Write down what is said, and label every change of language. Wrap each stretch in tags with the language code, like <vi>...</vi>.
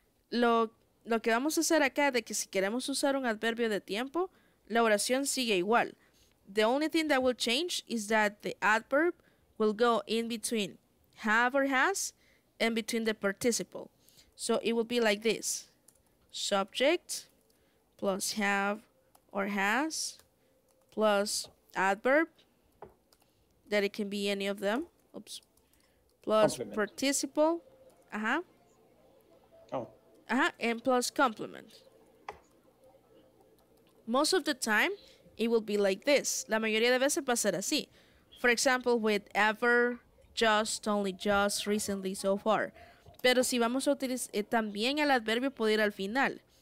<es>Lo que vamos a hacer acá de que si queremos usar un adverbio de tiempo, la oración sigue igual.</es> <en>The only thing that will change is that the adverb will go in between have or has and between the participle. So it will be like this. Subject plus have or has plus adverb, that it can be any of them. Oops. Plus compliment. Participle. Uh-huh. And plus complement. Most of the time, it will be like this.</en> <es>La mayoría de veces va a ser así.</es> <en>For example, with ever, just, only just, recently, so far.</en> <es>Pero si vamos a utilizar también el adverbio, puede ir al final.</es>